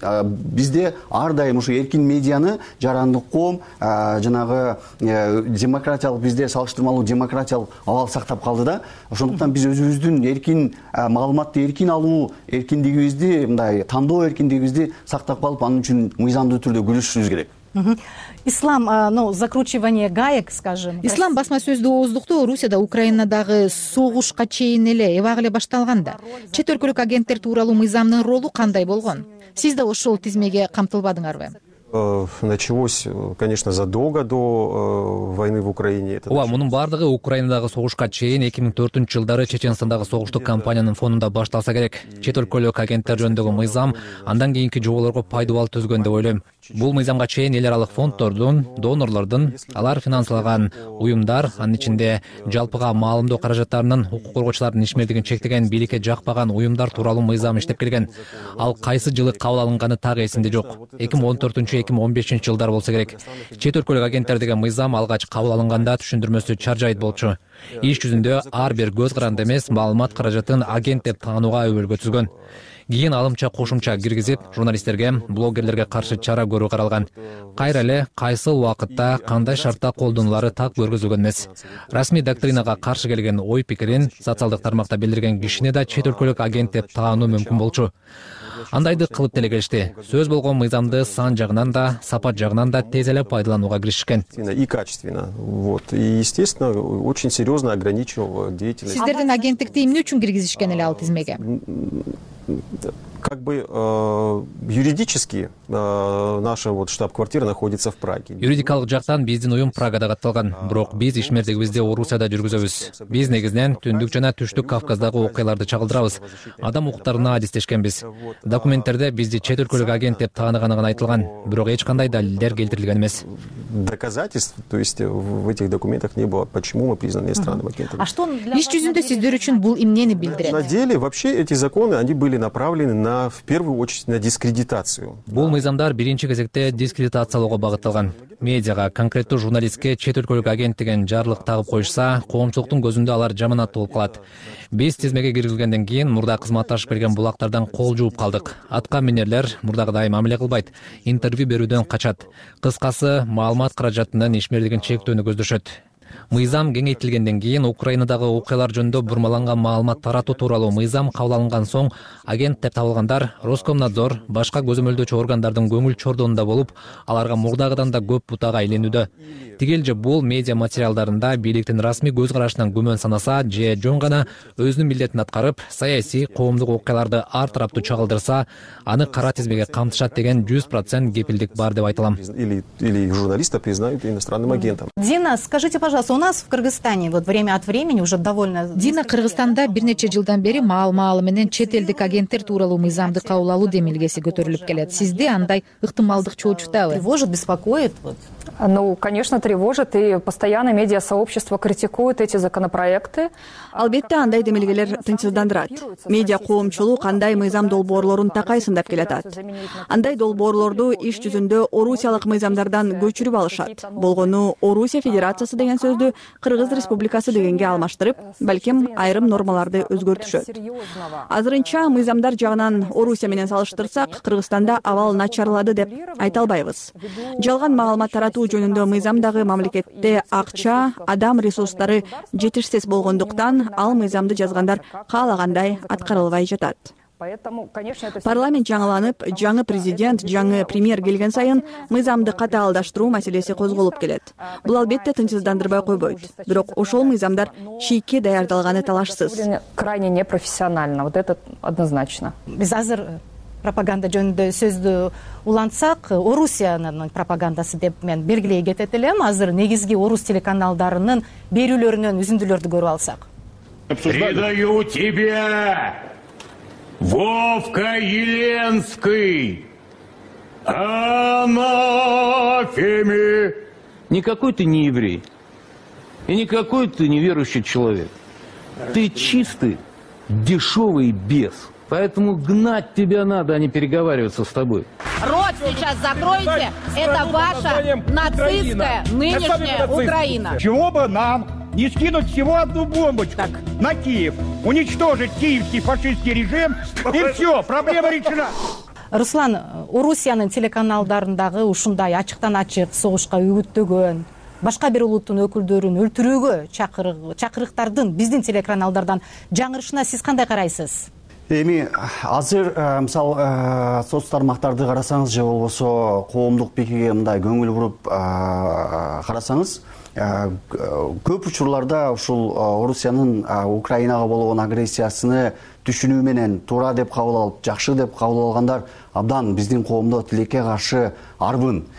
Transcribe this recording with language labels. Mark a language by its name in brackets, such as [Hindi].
[Kyrgyz] Бизде ар дайым ушу эркин медианы жарандык коом жанагы демократиялык, бизде салыштырмалуу демократиялык абал сактап калды да. Ошондуктан биз өзүбүздүн эркин маалыматты эркин алуу эркиндигибизди, мындай тандоо эркиндигибизди сактап калып, анын үчүн мыйзамдуу түрдө күрөшүшүбүз керек. [Russian] Ислам, ну, закручивание гаек, скажем. [Kyrgyz] Ислам басма сөздү ооздукту Орусияда Украинадагы согушка чейин эле эбак эле башталганда. Чет өлкөлүк агенттер тууралуу мыйзамдын ролу кандай болгон? Сиз да ошол тизмеге камтылбадыңарбы? [Russian] Началось, конечно, задолго до войны в Украине. [Kyrgyz] Ооба, мунун баардыгы Украинадагы согушка чейин 2004 жылдары Чечениндагы согуштук кампаниянын фонунда башталса керек. Чет өлкөлүк агенттер жөнүндөгү мыйзам андан кийинки жоболорго пайдубал түзгөн деп ойлойм. Бул мыйзамга чейин эл аралык фонддордун, донорлордун, алар финансалаган уюмдар, анын ичинде жалпыга маалымдоо каражаттарынын укук коргоочулардын ишмердигин чектеген, бийликке жакпаган уюмдар тууралуу мыйзам иштеп келген. Ал кайсы жылы кабыл алынганы так эсимде жок. 2014-2015 жылдар болсо керек. Чет өлкөлүк агенттер деген мыйзам алгач кабыл алынганда түшүндүрмөсү чар жайыт болчу. Иш жүзүндө ар бир көз каранды эмес маалымат каражатын агент деп таанууга өбөлгө түзгөн. кийин алымча кошумча киргизип, журналисттерге, блогерлерге каршы чара көрүү каралган. Кайра эле кайсыл убакытта, кандай шартта колдонулары так көргөзүлгөн эмес. Расмий доктринага каршы келген ой-пикирин социалдык тармакта билдирген кишине да чет өлкөлүк агент деп таануу мүмкүн болчу. Андайды кылып деле келишти. Сөз болгон мыйзамды сан жагынан да, сапа жагынан да тез эле пайдаланууга киришкен. [Russian] И качественно. Вот. И естественно, очень серьезно ограничил деятельность. [Kyrgyz] Сиздердин агенттикти эмне үчүн киргизишкен эле ал тизмеге? [Russian] Как бы юридически наша вот штаб-квартира находится в Праге. [Kyrgyz] Юридикалык жактан биздин уюм Прагада катталган, бирок биз ишмердигибизди Орусияда жүргүзөбүз. Биз негизинен түндүк жана түштүк Кавказдагы окуяларды чагылдырабыз. Адам укуктарына адистешкенбиз. Документтерде бизди чет өлкөлүк агент деп тааныганы гана айтылган, бирок эч кандай далилдер келтирилген эмес. [Russian] Доказательств, то есть в этих документах не было, почему мы признаны иностранным агентом. А что [Kyrgyz] иш жүзүндө сиздер үчүн бул эмнени билдирет? [Russian] На деле вообще эти законы, они были направлены на, в первую очередь, на дискредитацию. [Kyrgyz] Бул мыйзамдар биринчи кезекте дискредитациялоого багытталган. Медиага, конкреттүү журналистке чет өлкөлүк агент деген жарлык тагып коюшса, коомчулуктун көзүндө алар жаман ат болуп калат. Биз тизмеге киргизилгенден кийин мурда кызматташып берген булактардан кол жууп калдык. Атка минерлер мурдагыдай мамиле кылбайт, интервью берүүдөн качат. Кыскасы, маалымат каражатынын ишмердигин чектөөнү көздөшөт. Мыйзам кеңейтилгенден кийин Украинадагы окуялар жөнүндө бурмаланган маалымат таратуу тууралуу мыйзам кабыл алынган соң агент деп табылгандар Роскомнадзор, башка көзөмөлдөөчү органдардын көңүл чордоонунда болуп, аларга мурдагыдан да көп бутага айленүүдө. Тигил же бул медиа материалдарында бийликтин расмий көз карашынан күмөн санаса же жөн гана өзүнүн милдетин аткарып, саясий, коомдук окуяларды ар тараптуу чагылдырса, аны кара тизмеге камтышат деген 100% кепилдик бар деп айтылам. [Russian] Или журналиста признают иностранным агентом. Дина, скажите, пожалуйста, у нас в Кыргызстане вот время от времени уже довольно... [Kyrgyz] Дина, Кыргызстанда бир нече жылдан бери маал-маалы менен чет элдик агенттер тууралуу мыйзамды кабыл алуу демилгеси көтөрүлүп келет. Сизди андай ыктымалдык чоочутабы? [Russian] Тревожит, беспокоит? Вот. Ну, конечно, тревожит. И постоянно медиа-сообщество критикует эти законопроекты. [Kyrgyz] Албетте, андай демилгелер тынчсыздандырат. Медиа коомчулук андай мыйзам долбоорлорун такайсын деп келатат. Андай долбоорлорду иш жүзүндө орусиялык мыйзамдардан көчүрүп алышат. Болгону Орусия Федерациясы деген сөздү Кыргыз Республикасы дегенге алмаштырып, балким айрым нормаларды өзгөртүшөт. Азырынча мыйзамдар жагынан Орусия менен салыштырсак, Кыргызстанда абал начарлады деп айта албайбыз. Жалган маалымат таратуу жөнүндө мыйзамдагы мамлекетте акча, адам ресурстары жетишсиз болгондуктан ал мыйзамды жазгандар каалагандай аткарылбай жатат. Парламент жаңыланып, жаңы президент, жаңы премьер келген сайын мыйзамды катаалдаштыруу маселеси козголуп келет. Бул албетте тынчсыздандырбай койбойт. Бирок ошол мыйзамдар шийке даярдалганы талашсыз. [Russian] Крайне непрофессионально, вот это однозначно. [Kyrgyz] Биз азыр пропаганда жөнүндө сөздү улантсак, Орусиянын пропагандасы деп мен белгилей кетет элем. Азыр негизги орус телеканалдарынын берүүлөрүнөн үзүндүлөрдү көрүп алсак. [Russian] Предаю тебя, Вовка Еленский, анафеме. Никакой ты не еврей. И никакой ты не верующий человек. Ты чистый, дешевый бес. Поэтому гнать тебя надо, а не переговариваться с тобой. Рот сейчас закройте. Это ваша нацистская нынешняя Украина. Чего бы нам не скинуть всего одну бомбочку так на Киев, уничтожить киевский фашистский режим, и все, проблема решена. [Kyrgyz] Руслан, у Русиянын телеканалдарындагы ушундай ачыктан-ачык согушка үгүттөгөн, башка бир улуттун өкүлдөрүн өлтүрүүгө чакырыктардын биздин телеканалдардан жаңырышына сиз кандай карайсыз? Эми азыр мисалы соц тармактарды карасаңыз же болбосо коомдук пикирге мындай көңүл буруп карасаңыз, көп учурларда ушул Орусиянын Украинага болгон агрессиясыны түшүнүү менен туура деп кабыл алып, жакшы деп кабыл алгандар абдан биздин коомдо тилекке каршы арбын.